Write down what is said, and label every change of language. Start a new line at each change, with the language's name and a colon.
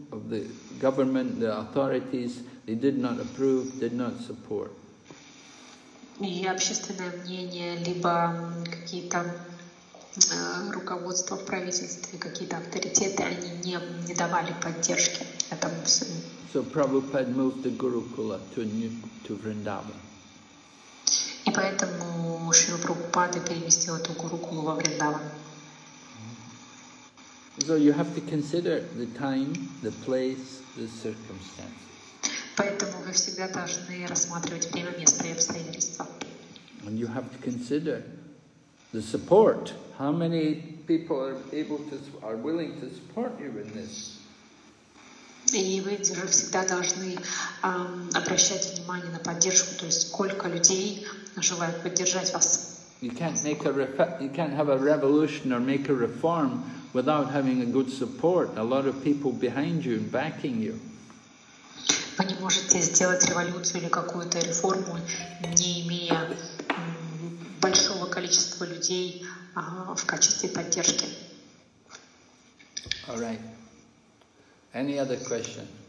English: of the government, the authorities, they did not approve, did not support.
Russian: И общественное мнение, либо какие-то руководство в правительстве, какие-то авторитеты, они не давали поддержки этому сыну.
English: So Prabhupada moved the Gurukula to Vrindavan.
Russian: И поэтому Шри Прабхупада переместил эту Гурукулу во Вриндаван.
English: So you have to consider the time, the place, the circumstances.
Russian: Поэтому вы всегда должны рассматривать время, место и обстоятельства.
English: And you have to consider the support. How many people are willing to support you in this?
Russian: И вы же всегда должны обращать внимание на поддержку, то есть сколько людей желают поддержать вас.
English: You can't have a revolution or make a reform without having a good support, a lot of people behind you and backing you.
Russian: Вы не можете сделать революцию или какую-то реформу, не имея большого количества людей в качестве поддержки.
English: All right. Any other question?